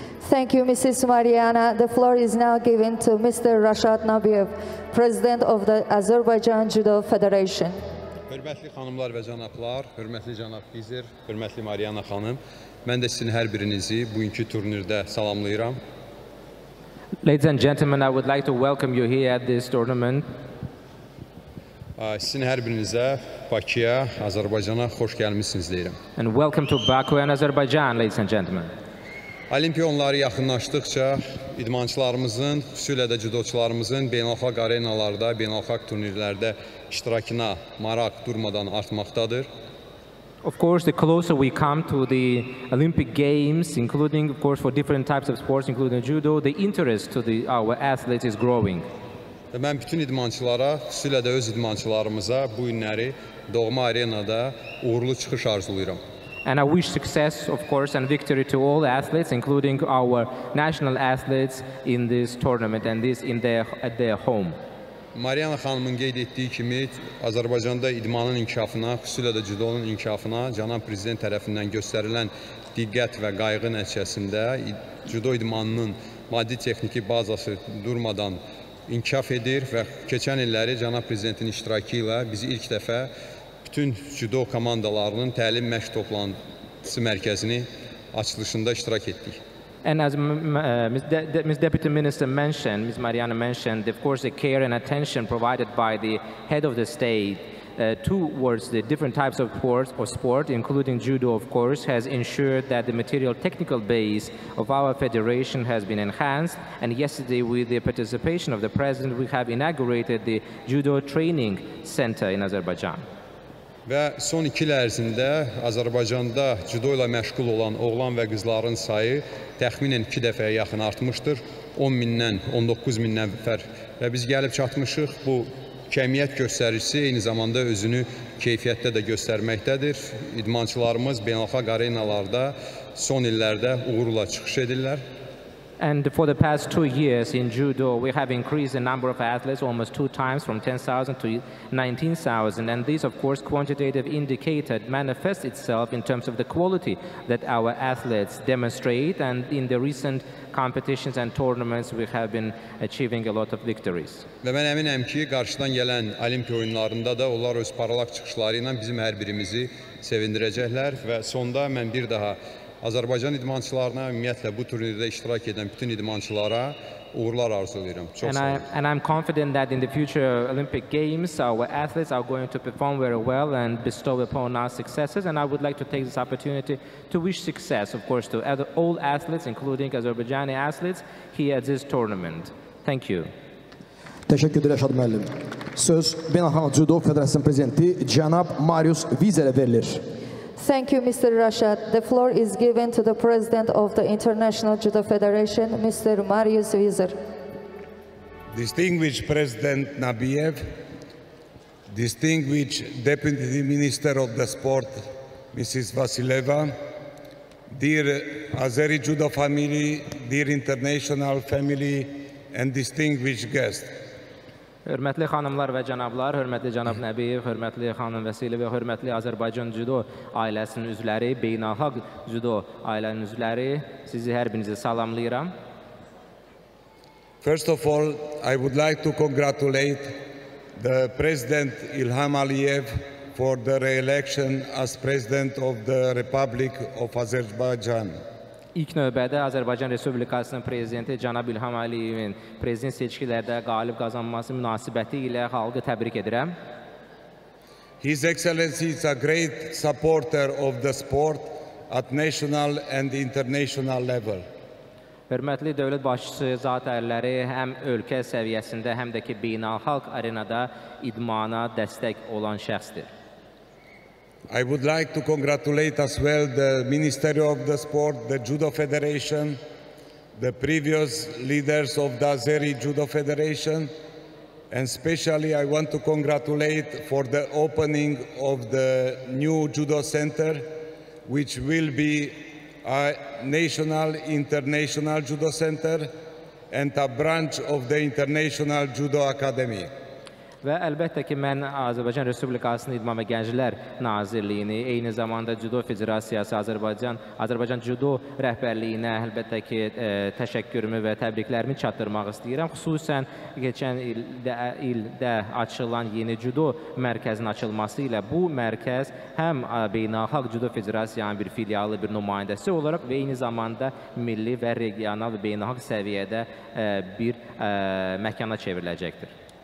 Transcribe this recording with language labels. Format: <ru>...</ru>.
<en>Thank you, Mrs. Mariana. The floor is now given to Mr. Reşat Nebiyev, President of the Azerbaijan Judo Federation.</en> <az>Hürmetli hanımlar ve cənablar, hürmetli cənab Bizir, hürmetli Mariana xanım, mən də sizin hər birinizi bugünkü turnirdə salamlayıram.</az> <en>Ladies and gentlemen, I would like to welcome you here at this tournament.</en> <az>Sizin hər birinizə Bakıya, Azərbaycana xoş gəlmişsiniz deyirəm.</az> <en>And welcome to Baku and Azerbaijan, ladies and gentlemen.</en> <az>Olimpiya oyunları yaxınlaşdıqca idmançılarımızın, xüsusilə də judoçularımızın beynəlxalq arenalarda, beynəlxalq turnirlərdə iştirakına maraq durmadan artmaqdadır.</az> <en>Of course, the closer we come to the Olympic Games, including, of course, for different types of sports, including judo, the interest to our athletes is growing.</en> <az>Və mən bütün idmançılara, xüsusilə də öz idmançılarımıza bu günləri doğma arenada uğurlu çıxış arzulayıram.</az> <en>And I wish success, of course, and victory to all athletes, including our national athletes, in this tournament and this at their home.</en> <az>Mariana xanımın qeyd etdiyi kimi, Azərbaycanda idmanın inkişafına, xüsusilə də judonun inkişafına, cənab prezident tərəfindən göstərilən diqqət və qayğı nəticəsində judo idmanının maddi texniki bazası durmadan inkişaf edir və keçən illəri cənab prezidentin iştirakı ilə biz ilk dəfə bütün judo komandalarının təlim məşq toplantısı mərkəzini açılışında iştirak etdik.</az> <en>And as Ms. Deputy Minister mentioned, Ms. Mariana mentioned, of course, the care and attention provided by the head of the state towards the different types of sport, including judo, of course, has ensured that the material technical base of our federation has been enhanced. And yesterday, with the participation of the president, we have inaugurated the judo training center in Azerbaijan.</en> <az>Və son iki il ərzində Azərbaycanda judo ilə məşğul olan oğlan və qızların sayı təxminən iki dəfəyə yaxın artmışdır. 10 mindən, 19 min nəfər və biz gəlib çatmışıq. Bu kəmiyyət göstəricisi eyni zamanda özünü keyfiyyətdə də göstərməkdədir. İdmançılarımız beynəlxalq arenalarda son illərdə uğurla çıxış edirlər.</az> <en>And for the past 2 years in judo, we have increased the number of athletes almost 2 times, from 10,000 to 19,000. And this, of course, quantitative indicator manifests itself in terms of the quality that our athletes demonstrate. And in the recent competitions and tournaments, we have been achieving a lot of victories.</en> <az>Və mən əminəm ki, qarşıdan gələn Olimpiya oyunlarında da onlar öz parlaq çıxışları ilə bizim hər birimizi sevindirəcəklər. Və sonda mən bir daha Azərbaycan idmançılarına, ümumiyyətlə bu turnirdə iştirak edən bütün idmançılara uğurlar arzulayıram. Çox sağ olun.</az> <en>And I'm confident that in the future Olympic Games, our athletes are going to perform very well and bestow upon our successes. And I would like to take this opportunity to wish success, of course, to all athletes, including Azerbaijani athletes, here at this tournament. Thank you.</en> <az>Təşəkkür edirəm, Şad müəllim. Söz Beynəlxalq Judo Federasiyasının prezidenti cənab Marius Vizerə verilir.</az> <en>Thank you, Mr. Reşat. The floor is given to the President of the International Judo Federation, Mr. Marius Vizer. Distinguished President Nabiev, distinguished Deputy Minister of the Sport, Mrs. Vasileva, dear Azeri Judo family, dear international family, and distinguished guests.</en> <az>Hörmətli xanımlar və cənablar, hörmətli cənab Nəbiyev, hörmətli xanım Vəsili və hörmətli Azərbaycan judo ailəsinin üzvləri, beynəlxalq judo ailənin üzvləri, sizi hər birinizi salamlayıram.</az> <en>First of all, I would like to congratulate the President İlham Aliyev for the re-election as President of the Republic of Azerbaijan.</en> <az>İlk növbədə Azərbaycan Respublikasının Prezidenti Cənab İlham Əliyevin prezident seçkilərdə qalib qazanması münasibəti ilə xalqı təbrik edirəm.</az> <en>His Excellency is a great supporter of the sport at national and international level.</en> <az>Hörmətli dövlət başçısı zatərləri həm ölkə səviyyəsində, həm də ki, beynəlxalq arenada idmana dəstək olan şəxsdir.</az> <en>I would like to congratulate as well the Ministry of the Sport, the Judo Federation, the previous leaders of the Azeri Judo Federation, and especially I want to congratulate for the opening of the new Judo Center, which will be a national international Judo Center and a branch of the International Judo Academy.</en> <az>Və əlbəttə ki, mən Azərbaycan Respublikasının İdman və Gənclər Nazirliyini, eyni zamanda Judo Federasiyası Azərbaycan Judo rəhbərliyinə əlbəttə ki, təşəkkürümü və təbriklərimi çatdırmaq istəyirəm. Xüsusən, keçən ildə açılan yeni Judo mərkəzinin açılması ilə bu mərkəz həm Beynəlxalq Judo Federasiyanın bir filialı, bir nümayəndəsi olaraq və eyni zamanda milli və regional və beynəlxalq səviyyədə bir məkana çevriləcəkdir.</az>